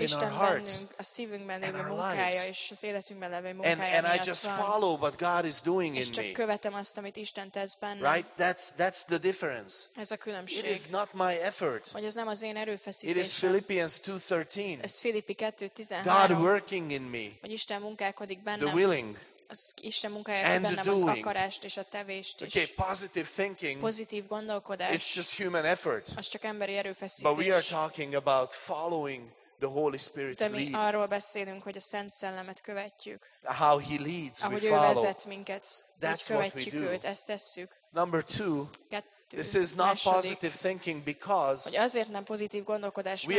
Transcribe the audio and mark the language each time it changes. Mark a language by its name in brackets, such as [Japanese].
[Hungarian] Isten [English] in our hearts [Hungarian] bennünk, a szívünkben [English] and our lives. [Hungarian] És az életünkben levő munkája [English] and I just follow what God is doing in me. [Hungarian] Követem azt, amit Isten tesz bennem. [English] Right? That's the difference. [Hungarian] Ez a különbség. [English] It is not my effort. [Hungarian] Vagy ez nem az én erőfeszítésem. [English] It is Philippians 2:13. [Hungarian] Ez Filippi 2:13. [English] God working in me. [Hungarian] Vagy Isten munkálkodik bennem. [English] The willing. [Hungarian] Az Isten munkálja bennem [English] doing. [Hungarian] Az akarást és a tevést is. [English] Okay, positive thinking. [Hungarian] Pozitív gondolkodás. [English] It's just human effort. [Hungarian] Az csak emberi erőfeszítés. [English] But we are talking about following the Holy Spirit's lead. [Hungarian] De mi arról beszélünk, hogy a Szent Szellemet követjük. [English] How he leads, we [Hungarian] ahogy Ahogy ő vezet minket. [English] That's what we do. [Hungarian] Őt, ezt tesszük. [English] Number two. [Hungarian] Kettő, [English] this is not [Hungarian] második, [English] positive thinking because [Hungarian] hogy azért nem pozitív gondolkodás, mert